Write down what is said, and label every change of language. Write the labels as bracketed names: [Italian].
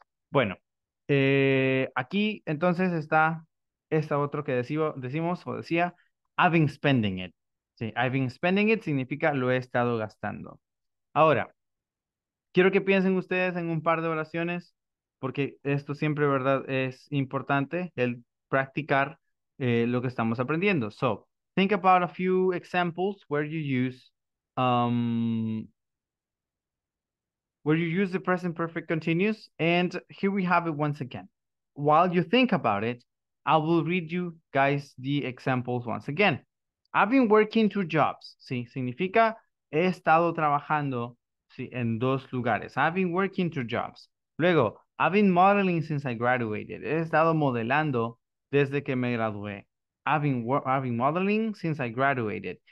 [Spanish] Bueno, aquí entonces está esta otro que decimos o decía, [English] I've been spending it. [Spanish] Sí, [English] I've been spending it [Spanish] significa lo he estado gastando. Ahora, quiero que piensen ustedes en un par de oraciones, porque esto siempre, ¿verdad?, es importante, el practicar lo que estamos aprendiendo. [English] So, think about a few examples where you use where you use the present perfect continuous, and here we have it once again. While you think about it, I will read you guys the examples once again. I've been working two jobs. [Spanish] Sí, significa he estado trabajando, sí, en dos lugares. [English] I've been working two jobs. Luego, I've been modeling since I graduated. [Spanish] He estado modelando desde que me gradué. [English] I've been modeling since I graduated.